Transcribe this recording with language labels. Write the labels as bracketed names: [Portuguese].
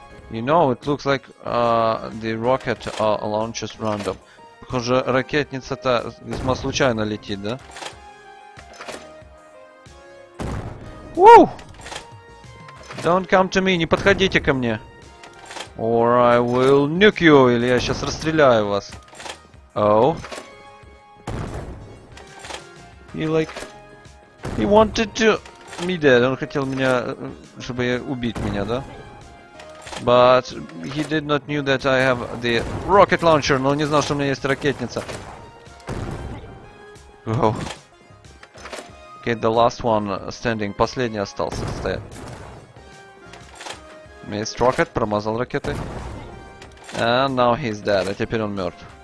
[English] You know, it looks like the rocket launches random. [Russian] Похоже, ракетница-то весьма случайно летит, да? [English] Woo! Don't come to me, [Russian] не подходите ко мне. [English] Or I will nuke you, [Russian] или я сейчас расстреляю вас. [English] Oh. He wanted to me dead. [Russian] Он хотел меня, чтобы убить меня, да? [English] But he did not knew that I have the rocket launcher. [Russian] Но он не знал, что у меня есть ракетница. [English] Oh. Okay, the last one standing. [Russian] Последний остался стоять. [English] Missed rocket, [Russian] промазал ракеты. [English] And now he's dead. [Russian] А теперь он мертв.